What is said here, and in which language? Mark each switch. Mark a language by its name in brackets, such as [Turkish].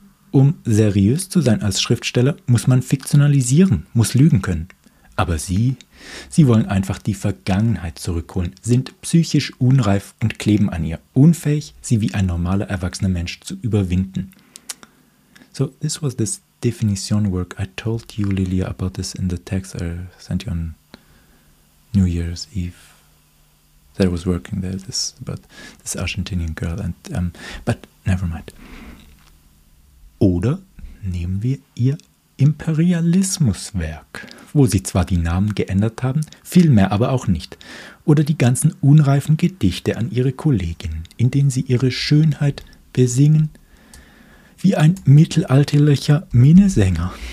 [German] Um seriös zu sein als Schriftsteller, muss man fiktionalisieren, muss lügen können. Aber Sie wollen einfach die Vergangenheit zurückholen, sind psychisch unreif und kleben an ihr, unfähig, sie wie ein normaler erwachsener Mensch zu überwinden. [English] So, this was this definition work. I told you, Lilia, about this in the text I sent you on New Year's Eve. That was working there, this about this Argentinian girl. And but never mind. [German] Oder nehmen wir ihr Imperialismuswerk, wo sie zwar die Namen geändert haben, viel mehr aber auch nicht. Oder die ganzen unreifen Gedichte an ihre Kolleginnen, in denen sie ihre Schönheit besingen, wie ein mittelalterlicher Minnesänger.